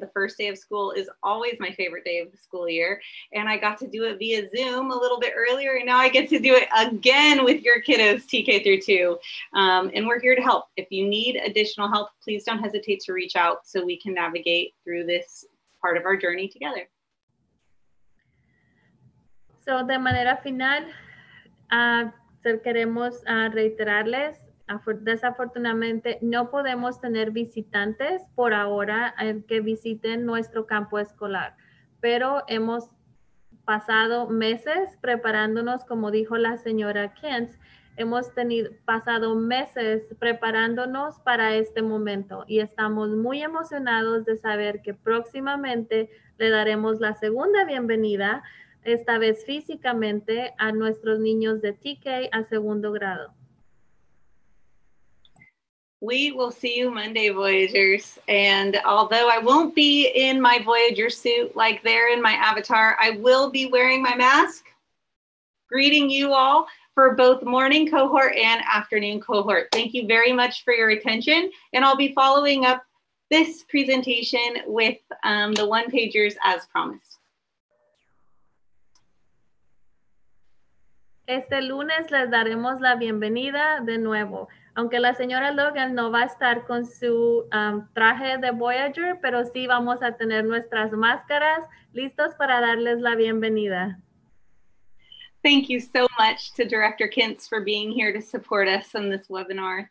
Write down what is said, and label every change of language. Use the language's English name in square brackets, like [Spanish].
[English] The first day of school is always my favorite day of the school year, and I got to do it via Zoom a little bit earlier, and now I get to do it again with your kiddos, TK through two, and we're here to help. If you need additional help, please don't hesitate to reach out so we can navigate through this part of our journey together. [Spanish] So, de manera final, queremos reiterarles, desafortunadamente no podemos tener visitantes por ahora que visiten nuestro campo escolar, pero hemos pasado meses preparándonos, como dijo la señora Kent. Hemos tenido pasado meses preparándonos para este momento y estamos muy emocionados de saber que próximamente le daremos la segunda bienvenida, esta vez físicamente, a nuestros niños de TK a segundo grado. [English] We will see you Monday, Voyagers. And although I won't be in my Voyager suit like there in my avatar, I will be wearing my mask. Greeting you all for both morning cohort and afternoon cohort. Thank you very much for your attention. And I'll be following up this presentation with the one pagers as promised. [Spanish] Este lunes les daremos la bienvenida de nuevo. Aunque la señora Logan no va a estar con su traje de Voyager, pero sí vamos a tener nuestras máscaras listos para darles la bienvenida. [English] Thank you so much to Director Kintz for being here to support us on this webinar.